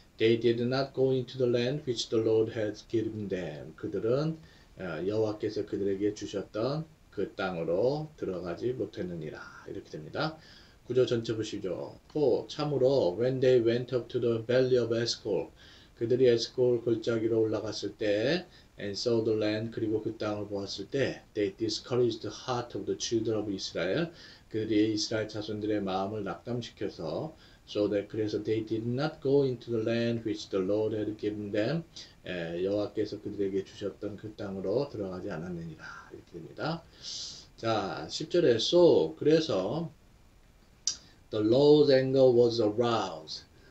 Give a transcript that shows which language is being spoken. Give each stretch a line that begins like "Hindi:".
English: They did not go into the land which the Lord has given them.
Korean: 그들은 여호와께서 그들에게 주셨던 그 땅으로 들어가지 못했느니라 이렇게 됩니다. 구조 전체 보시죠.
English: 4.
Korean: 참으로
English: when they went up to the valley of Eshcol
Korean: 그들이 에스콜 골짜기로 올라갔을 때
English: and saw the land
Korean: 그리고 그 땅을 보았을 때
English: they discouraged the heart of the children of Israel
Korean: 그들이 이스라엘 자손들의 마음을 낙담시켜서
English: So that
Korean: 그래서
English: they did not go into the land which the Lord had given them.
Korean: 여호와께서 그들에게 주셨던 그 땅으로 들어가지 않았느니라 이렇게 됩니다. 자, 10절에
English: so
Korean: 그래서
English: the Lord's anger was aroused.